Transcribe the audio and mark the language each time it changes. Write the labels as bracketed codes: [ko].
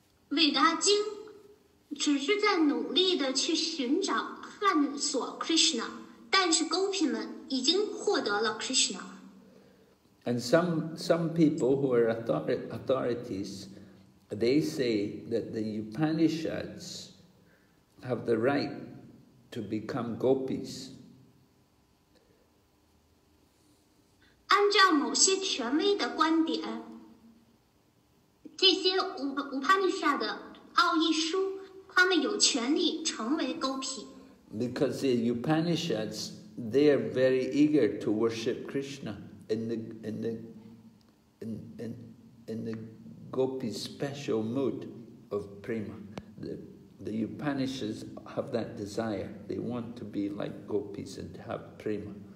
[zh] 伟达经只是在努力地去寻找探索 Krishna, 但是勾品们已经获得了 Krishna. [en] And some people who are authorities, they say that the Upanishads have the right to become gopis. [zh] 按照某些权威的观点，这些乌帕尼夏的奥义书，他们有权利成为勾品。 [en] Because the Upanishads, they are very eager to worship Krishna in the gopi special mood of prema. The Upanishads have that desire. They want to be like gopis and have prema.